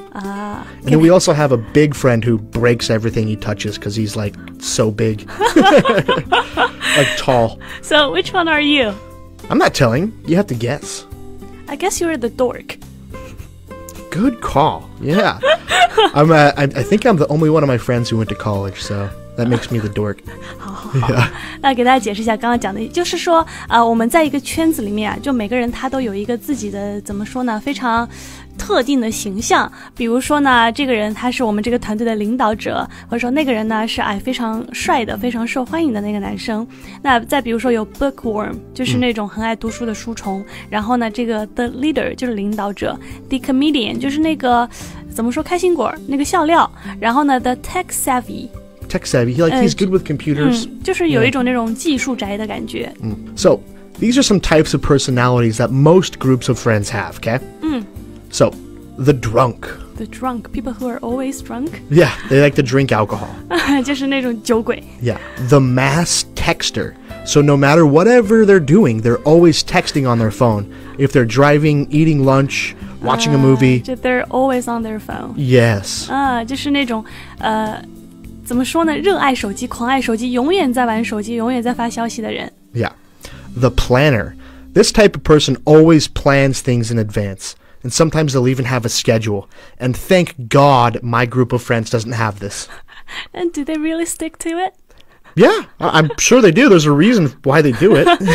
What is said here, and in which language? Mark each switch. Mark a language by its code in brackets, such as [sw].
[en] And then we also have a big friend who breaks everything he touches because he's, like, so big. Like, tall. So, which one are you? I'm not telling. You have to guess. I guess you're the dork. Good call. Yeah. I think I'm the only one of my friends who went to college, so... That makes me the dork. [zh] 好。那给大家解释一下刚刚讲的，就是说，我们在一个圈子里面啊，就每个人他都有一个自己的怎么说呢，非常特定的形象。比如说呢，这个人他是我们这个团队的领导者，或者说那个人呢是哎非常帅的、非常受欢迎的那个男生。那再比如说有 bookworm， 就是那种很爱读书的书虫。嗯、然后呢，这个 the leader 就是领导者 ，the comedian 就是那个怎么说开心果那个笑料。然后呢 ，the tech savvy。 [en] Tech savvy, he's good with computers. [zh] 就是有一种那种技术宅的感觉。 [en] So, these are some types of personalities that most groups of friends have, okay? So, the drunk. The drunk, people who are always drunk? Yeah, they like to drink alcohol. [zh] 就是那种酒鬼。 [en] Yeah, the mass texter. So no matter whatever they're doing, they're always texting on their phone. If they're driving, eating lunch... watching a movie. They're always on their phone. Yes. [zh] 就是那种怎么说呢热爱手机狂爱手机永远在玩手机永远在发消息的人。 [en] Yeah. The planner. This type of person always plans things in advance. And sometimes they'll even have a schedule. And thank God my group of friends doesn't have this. And do they really stick to it? Yeah, I'm sure they do. There's a reason why they do it.